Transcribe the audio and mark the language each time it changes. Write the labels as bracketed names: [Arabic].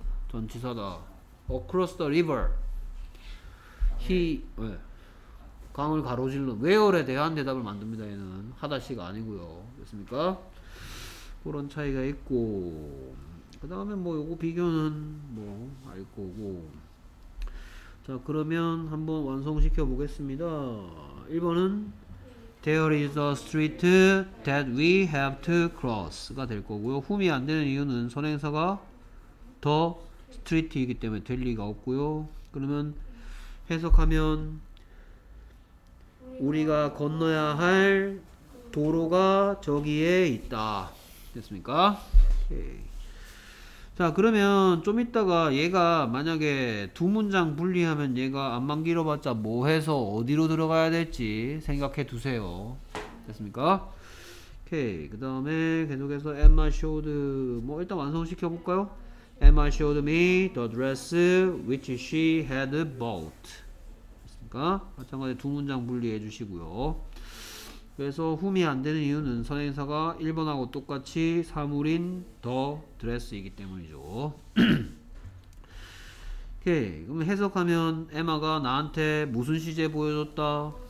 [Korean] 전치사다. [English] Across the river. [Korean] 네. 강을 가로질러. Where에 대한 대답을 만듭니다. 얘는 하다시가 아니고요. 됐습니까? 그런 차이가 있고 그 다음에 뭐 요거 비교는 뭐 알 거고 자 그러면 한번 완성시켜 보겠습니다. 1번은 [English] There is a street that we have to cross가 [Korean] 될 거고요. whom이 안 되는 이유는 선행사가 the street이기 때문에 될 리가 없고요. 그러면 해석하면 우리가 건너야 할 도로가 저기에 있다. 됐습니까? 오케이. 자, 그러면 좀 이따가 얘가 만약에 두 문장 분리하면 얘가 암만 길어봤자 뭐 해서 어디로 들어가야 될지 생각해 두세요. 됐습니까? 오케이. 그 다음에 계속해서 [English] Emma showed, [Korean] 뭐 일단 완성시켜 볼까요? [English] Emma showed me the dress which she had bought. [Korean] 됐습니까? 마찬가지로 두 문장 분리해 주시고요. 그래서 훔이 안 되는 이유는 선행사가 1번하고 똑같이 사물인 더 드레스이기 때문이죠. 오케이. 그럼 해석하면 에마가 나한테 무슨 시제 보여줬다?